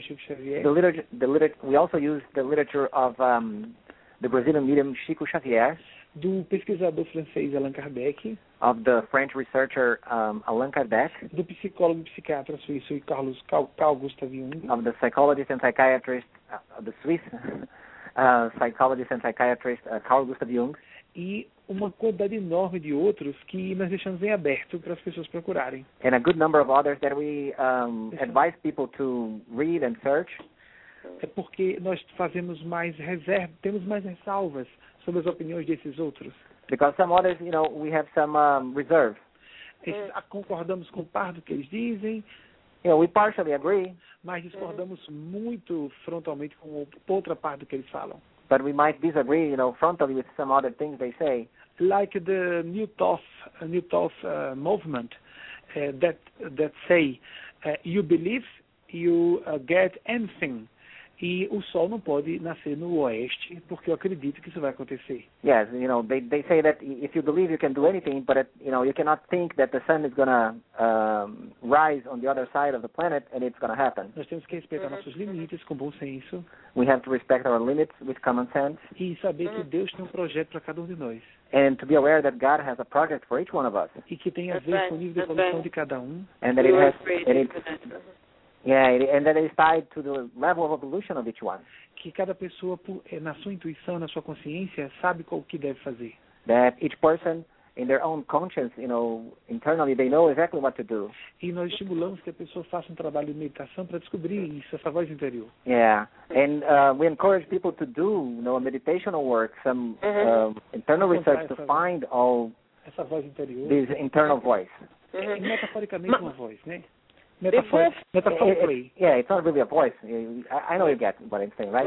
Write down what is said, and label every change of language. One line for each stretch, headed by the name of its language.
English: We also use the literature of the Brazilian medium Chico Xavier,
Portuguese: do pesquisador francês Allan Kardec,
English: of the French researcher Allan Kardec,
Portuguese: do psicólogo e psiquiatra suíço Carlos Carl Gustav Jung,
English: of the psychologist and psychiatrist the Swiss psychologist and psychiatrist Carl Gustav Jung,
Portuguese: e uma quantidade enorme de outros que nós deixamos em aberto para as pessoas procurarem.
English: And a good number of others that we advise people to read and search.
Portuguese: É porque nós fazemos mais reservas, temos mais ressalvas sobre as opiniões desses outros.
English: Because some others, you know, we have some reserve.
Portuguese: Concordamos com parte do que eles dizem.
English: You know, we partially agree.
Portuguese: Mas discordamos muito frontalmente com outra parte do que eles falam.
English: But we might disagree, you know, frontally with some other things they say. Like the New Thought movement that say, you believe, you get anything.
Portuguese: E o sol não pode nascer no oeste, porque eu acredito que isso vai acontecer.
English: Yes, you know, they say that if you believe you can do anything, but, you know, you cannot think that the sun is going to rise on the other side of the planet and it's going to happen.
Portuguese: Nós temos que respeitar nossos limites com bom senso.
English: We have to respect our limits with common sense.
Portuguese: E saber que Deus tem um projeto para cada um de nós.
English: And to be aware that God has a project for each one of us.
Portuguese: E que tem a ver com o nível de evolução de cada um.
English: And that it has... And it's, Yeah, and that is tied to the level of evolution of each one.
Portuguese: Que cada pessoa, na sua intuição, na sua consciência, sabe o que deve fazer.
English: That each person, in their own conscience, you know, internally, they know exactly what to do.
Portuguese: E nós estimulamos que a pessoa faça trabalho de meditação para descobrir isso, essa voz interior.
English: Yeah, and we encourage people to do, you know, a meditational work, some internal research to find all
Portuguese: essa voz interior.
English: This internal voice.
Portuguese: É, metaforicamente uma voz, né? Metaphorically.
English: Yeah, it's not really a voice. I know you get what I'm saying, right?